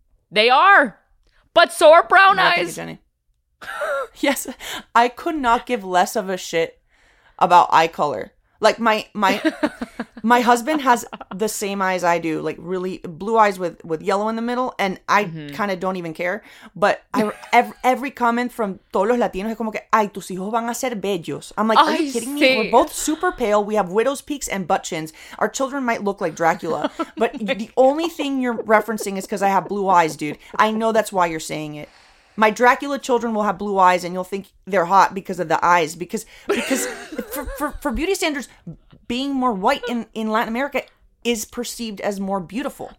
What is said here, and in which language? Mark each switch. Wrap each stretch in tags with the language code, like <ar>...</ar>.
<en>They are. But so are brown eyes. Thank you, Jenny. Yes, I could not give less of a shit about eye color. Like, my my husband has the same eyes I do, like really blue eyes with yellow in the middle, and I kind of don't even care. But every comment from</en> <es>todos los latinos es como que, ay, tus hijos van a ser bellos.</es> <en>I'm like, are you kidding me? We're both super pale. We have widow's peaks and butt chins. Our children might look like Dracula, but only thing you're referencing is because I have blue eyes, dude. I know that's why you're saying it. My Dracula children will have blue eyes, and you'll think they're hot because of the eyes. Because for beauty standards, being more white in Latin America is perceived as more beautiful.</en>